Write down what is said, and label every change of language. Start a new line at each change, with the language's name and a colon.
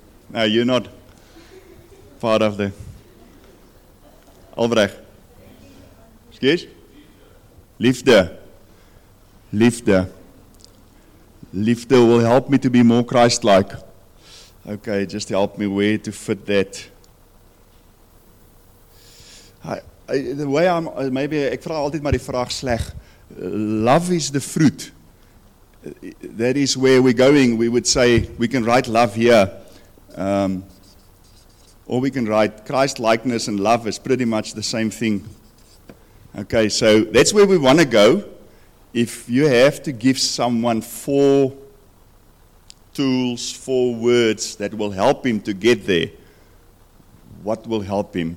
English: No, you're not part of the... Albrecht. Excuse? Liefde. Liefde will help me to be more Christ-like. Okay, just help me where to fit that.
Afrikaans: Ek vraag altyd maar die vraag sleg.
English: Love is the fruit. That is where we're going. We would say we can write love here. Or we can write Christ-likeness and love is pretty much the same thing. Okay, so that's where we want to go. If you have to give someone four tools, four words that will help him to get there, what will help him?